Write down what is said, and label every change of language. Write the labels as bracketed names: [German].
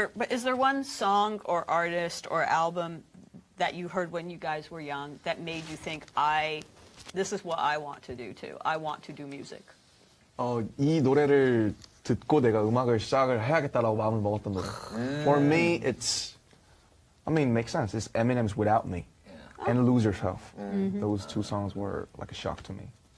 [English] Is there one song or artist or album that you heard when you guys were young that made you think, this is what I want to do too. I want to do music. [Korean] 이 노래를 듣고 내가 음악을 시작을 해야겠다라고 마음을 먹었던 노래. [English] For me, it's, I mean, it makes sense. It's Eminem's Without Me and Lose Yourself. Those two songs were like a shock to me.